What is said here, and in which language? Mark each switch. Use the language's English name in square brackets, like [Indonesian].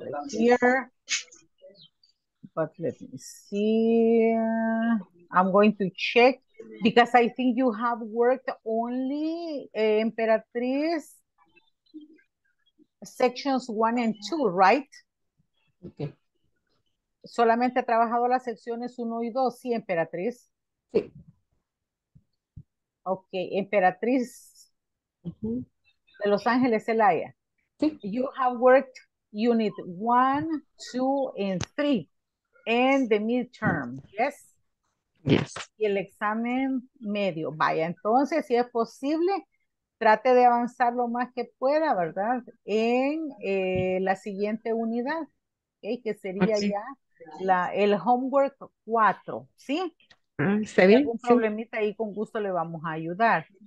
[English] Here, but let me see. I'm going to check because I think you have worked only Emperatriz sections 1 and 2, right? Okay. [Spanish] Solamente ha trabajado las secciones 1 y 2, sí, Emperatriz. Sí. Okay, Emperatriz de Los Ángeles, Celaya. [English] You have worked unit 1, 2, and 3 and the midterm, yes? Yes. [Spanish] Y el examen medio. Vaya, entonces, si es posible, trate de avanzar lo más que pueda, ¿verdad? En la siguiente unidad, okay, que sería sí. ya la, el homework 4, ¿sí? ¿Se ve? Si hay algún problemita sí. ahí, con gusto le vamos a ayudar.